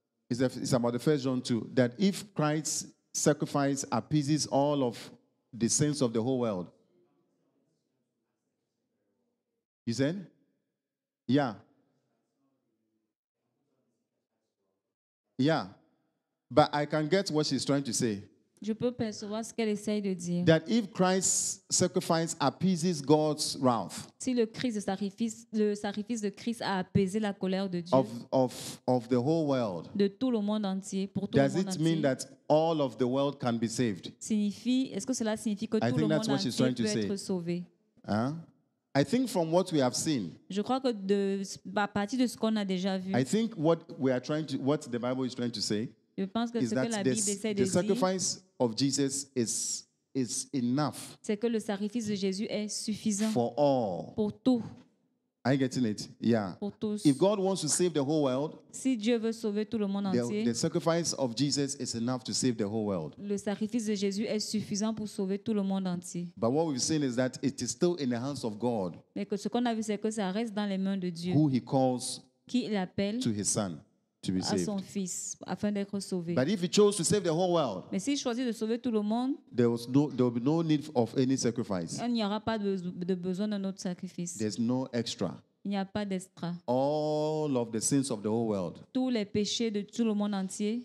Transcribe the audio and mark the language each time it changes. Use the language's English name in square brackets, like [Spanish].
[English] It's about the 1 John 2, that if Christ's sacrifice appeases all of the sins of the whole world. You said? Yeah. Yeah. But I can get what she's trying to say. [French] Je peux percevoir ce qu'elle essaie de dire. [English] That if Christ's sacrifice appeases God's wrath. [French] Si le Christ le sacrifice de Christ a apaisé la colère de Dieu. [English] Of the whole world. [French] De tout le monde entier pour tout le monde. [English] Does it mean that all of the world can be saved? [French] Signifie est-ce que cela signifie que tout le monde entier peut être Sauvé? [English] Hein? I think from what we have seen. [French] Je crois que de à partir de ce qu'on a déjà vu. [English] I think what the Bible is trying to say. [French] Je pense que ce que la Bible essaie de dire, [English] the sacrifice of Jesus is enough. [French] C'est que le sacrifice de Jésus est suffisant. [English] For all. [French] Pour tout. [English] Are you getting it? Yeah. [French] Pour tous. [English] If God wants to save the whole world, [French] si Dieu veut sauver tout le monde entier, [English] the sacrifice of Jesus is enough to save the whole world. [French] Le sacrifice de Jésus est suffisant pour sauver tout le monde entier. [English] But what we've seen is that it is still in the hands of God. [French] Mais que ce qu'on a vu, c'est que ça reste dans les mains de Dieu. [English] Who he calls? [French] Qui l'appelle? [English] To his son. To be [French] à son fils, afin d'être sauvé. [English] But if he chose to save the whole world, [French] mais s'il choisit de sauver tout le monde, [English] there will be no need of any sacrifice. [French] Il n'y aura pas de besoin d'un autre sacrifice. [English] There's no extra. [French] Il n'y a pas d'extra. [English] All of the sins of the whole world, [French] tous les péchés de tout le monde entier,